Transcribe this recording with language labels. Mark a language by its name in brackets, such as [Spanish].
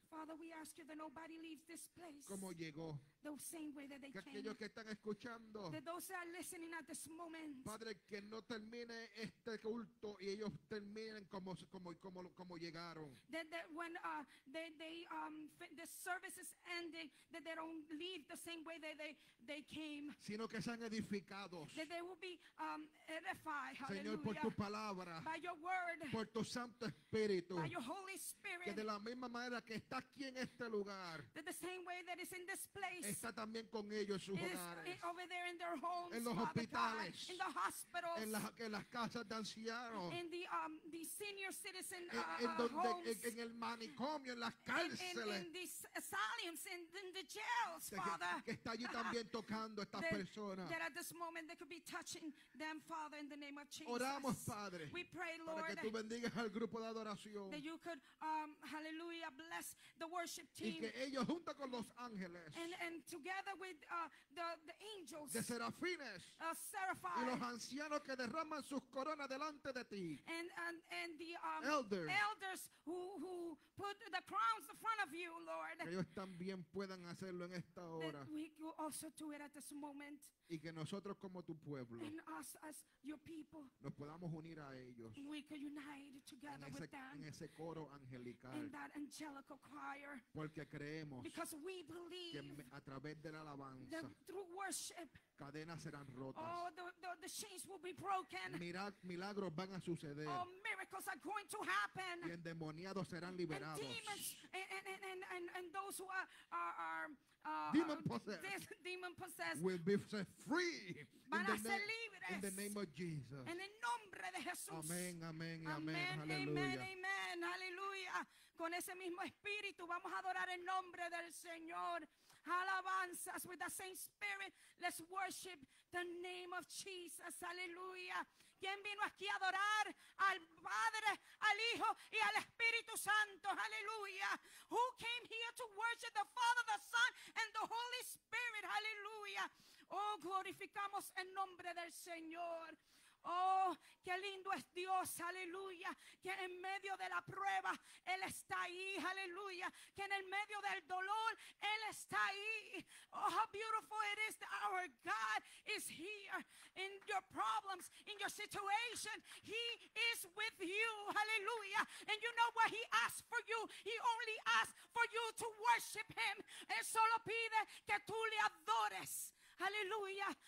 [English] Father, we ask you that nobody leaves this place, [Spanish] como llegó, [English] the same way that they [Spanish] que [English] came, [Spanish] aquellos que están escuchando, [English] that those that are listening at this moment, [Spanish] Padre, que no termine este culto y ellos terminen como llegaron, [English] that when this service is ending, that they don't leave the same way that they came, [Spanish] sino que sean edificados. [English] That they will be edified, [Spanish] Señor, por tu palabra, [English] by your word, [Spanish] por tu Santo Espíritu, [English] by your Holy Spirit, [Spanish] que de la misma manera que está aquí en este lugar, [English] that the same way that is in this place, [Spanish] está también con ellos en sus [English] is, [Spanish] hogares, [English] it, over there in their homes, [Spanish] en los [English] Father [Spanish] hospitales, [English] God, in the hospitals, [Spanish] en las casas de ancianos, [English] in the senior citizen [Spanish] en donde, [English] homes, [Spanish] en el manicomio, en las cárceles, [English] in the asylums, in the jails, Father, [Spanish] que está allí también tocando a estas personas. [English] This moment they could be touching them, Father, in the name of Jesus. [Spanish] Oramos, Padre, [English] we pray, Lord, [Spanish] para que tú bendigas al grupo de adoración, [English] that you could hallelujah bless the worship team, [Spanish] y que ellos junto con los ángeles, [English] and together with the angels, [Spanish] de serafines, [English] seraphim, [Spanish] y los ancianos que derraman sus coronas delante de ti, [English] and the elders who put the crowns in front of you, Lord, [Spanish] que ellos también puedan hacerlo en esta hora, [English] that we could also do it at this moment, [Spanish] y que nosotros como tu pueblo [English] us, as your people, [Spanish] nos podamos unir a ellos, [English] we could unite together [Spanish] en ese, [English] with them, [Spanish] en ese coro angelical, [English] in that angelical choir, [Spanish] porque creemos, [English] because we believe, [Spanish] que a través de la alabanza, [English] that through worship, [Spanish] cadenas serán rotas, [English] oh, the the chains will be broken. [Spanish] Milagros van a suceder. [English] Oh, miracles are going to happen. [Spanish] Y endemoniados serán liberados. [English] And demons and those who are demon possessed. This demon possessed will be set free. [Spanish] Van a ser libres. [English] In the name of Jesus. [Spanish] En el nombre de Jesús. Amén, amén, amén. Amén, amén, aleluya. Con ese mismo espíritu vamos a adorar el nombre del Señor. Alabanzas. [English] With the same spirit, let's worship the name of Jesus. [Spanish] Aleluya. ¿Quién vino aquí a adorar al Padre, al Hijo y al Espíritu Santo? Aleluya. [English] Who came here to worship the Father, the Son, and the Holy Spirit? [Spanish] Aleluya. Oh, glorificamos el nombre del Señor. Oh, qué lindo es Dios, aleluya, que en medio de la prueba, Él está ahí, aleluya, que en el medio del dolor, Él está ahí. [English] Oh, how beautiful it is that our God is here in your problems, in your situation. He is with you, aleluya. And you know what He asks for you? He only asks for you to worship Him. [Spanish] Él solo pide que tú le adores, aleluya.